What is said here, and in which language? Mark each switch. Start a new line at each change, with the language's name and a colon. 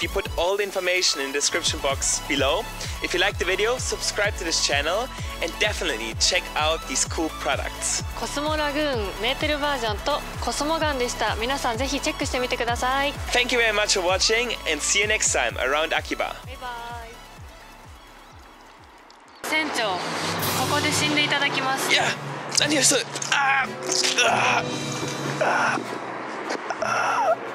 English: We put all the information in the description box below. If you like the video, subscribe to this channel and definitely check out these cool products.
Japanese: コスモラグーンメーテルバージョンとコスモガンでした。皆さんぜひチェックしてみてください。
English: Thank you very much for watching and see you next time around Akiba. Bye bye.
Japanese: 船長、ここで死んでいただきます。
English: Yeah.
Japanese: 何をする？ああ、ああ、ああ。